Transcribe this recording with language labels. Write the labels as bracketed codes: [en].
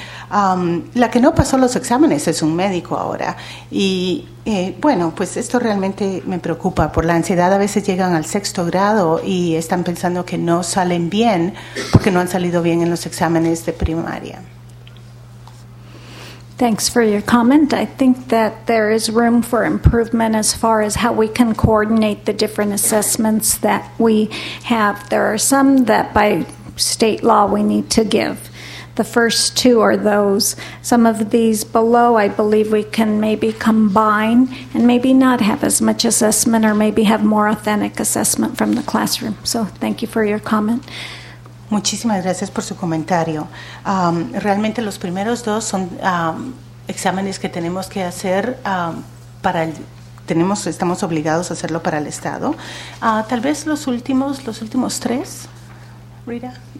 [es] And la que no pasó los exámenes es un médico ahora. Y bueno, pues esto realmente me preocupa por la ansiedad. A veces llegan al sexto grado y están pensando que no salen bien porque no han salido bien en los exámenes de primaria. [en] Thanks for your comment. I think that there is room for improvement as far as how we can coordinate the different assessments that we have. There are some that by state law we need to give. The first two are those. Some of these below, I believe we can maybe combine and maybe not have as much assessment or maybe have more authentic assessment from the classroom. So thank you for your comment. [es] Muchísimas gracias por su comentario. Realmente los primeros dos son exámenes que tenemos que hacer estamos obligados a hacerlo para el Estado. Tal vez los últimos tres, Rita?